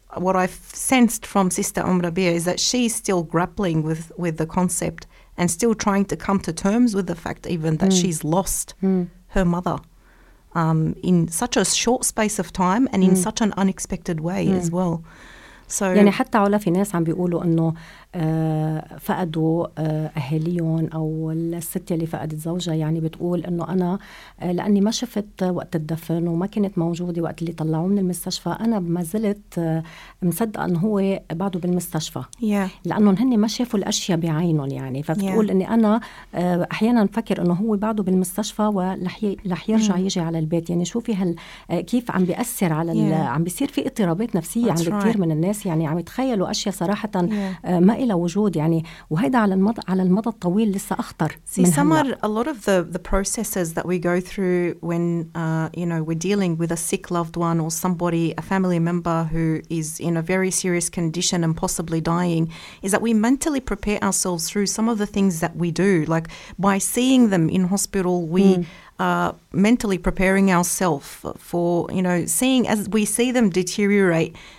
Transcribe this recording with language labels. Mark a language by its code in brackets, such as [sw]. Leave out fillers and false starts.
[en] what I've sensed from Sister Om Rabia is that she's still grappling with the concept and still trying to come to terms with the fact even that she's lost her mother in such a short space of time and in such an unexpected way as well. So, [ar] يعني حتى على في ناس عم بيقولوا إنه فقدوا أهليهم أو الست اللي فقدت زوجها يعني بتقول إنه أنا لأني ما شفت وقت الدفن وما كانت موجودة وقت اللي طلعوه من المستشفى أنا ما زلت مصدق إنه هو بعده بالمستشفى لأنه هني ما شافوا الأشياء بعينهم يعني فبتقول إني أنا أحياناً فكر إنه هو بعده بالمستشفى ولح يرجع يجي على البيت يعني شو في هال كيف عم بيأثر على عم بيصير في اضطرابات نفسية عند كثير من الناس يعني عم يتخيلوا أشياء صراحة ما إلى وجود يعني وهذا على المدى الطويل لسه أخطر. [en] See, some are a lot of the processes that we go through when you know we're dealing with a sick loved one or somebody, a family member who is in a very serious condition and possibly dying, is that we mentally prepare ourselves through some of the things that we do, like by seeing them in hospital, we mentally preparing ourselves for, you know, seeing as we see them deteriorate.